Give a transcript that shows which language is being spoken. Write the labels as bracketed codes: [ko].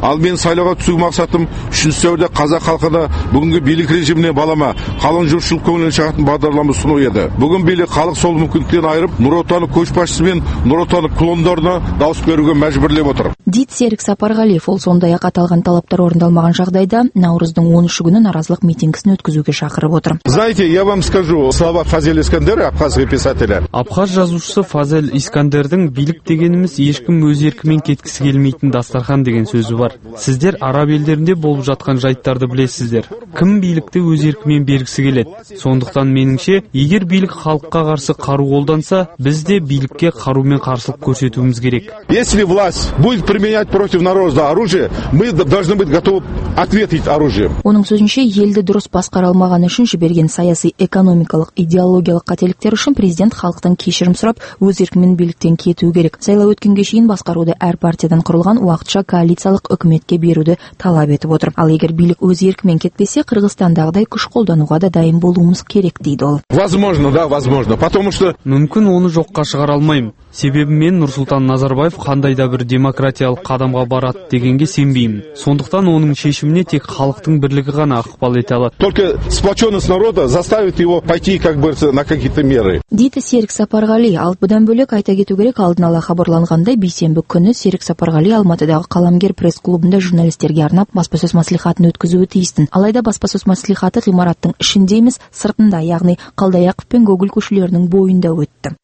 [kk] Ал мен сайлауға түсу мақсатым 3 сәуірде қазақ халқына бүгінгі билік режиміне балама, қалың жұртшылық көңілін шығатын бағдарлама ұсыну еді. Бүгін билік халық сол мүмкіндіктен айырып, Нұр Отанның көшбасшысы мен Нұр Отанның клондарына дауыс беруге мәжбүрлеп отыр. Серік Сапарғалиев ол сондай-ақ аталған талаптар орындалмаған жағдайда наурыздың 13 күні наразылық митингісін өткізуге шақырып отыр. [ru] Знаете, я вам скажу, слова Фазель Искандера, абхазский писателя. [kk] Абхаз жазушысы Фазель Искандердің билік дегеніміз ешкім өз еркімен кеткісі келмейтін дастархан деген сөзі бар. Сіздер араб елдерінде болып жатқан жайттарды білесіздер. Кім билікті өз еркімен бергісі келеді? Сондықтан меніңше, егер билік халыққа қарсы қару қолданса, біз де билікке қарумен қарсылық көрсетуіміз керек. [ru] Если власть будет применять против народа оружие, мы должны быть готовы ответить оружием. [kk] Оның сөзінше елді дұрыс басқаралмаған үшін жіберген саяси, экономикалық, идеологиялық қателіктер үшін президент халықтан кешірім сұрап, өз еркімен биліктен кетуі керек. Сайлау өткенге шейін басқаруды әр партиядан құрылған уақытша коалициялық үкіметке беруді талап етіп отыр. Ал егер билік өз еркімен кетпесе, Қырғызстандағыдай күш қолдануға да дайын болуымыз керек, дейді ол. [ru] Возможно, да, возможно, потому что [kk] мүмкін оны жоққа шығара алмаймын. Себебі мен Нұрсұлтан Назарбаев қандай да бір демократиялық қадамға барады дегенге сенбеймін. Сондықтан оның шешіміне тек халықтың бірлігі ғана ықпал ете алады. [ru] Только сплоченность народа заставит его пойти как бы на какие-то меры. [kk] Дейді Серік Сапарғали. Ал бұдан бөлек айта кету керек, алдын ала хабарланғандай бейсенбі күні Серік Сапарғали Алматыдағы қаламгер пресс-клубында журналистерге арнап баспасөз мәслихатын өткізуі тиісті. Алайда баспасөз мәслихаты ғимараттың ішінде емес, сыртында, яғни Қалдаяқов пен Гоголь көшелерінің бойында өтті.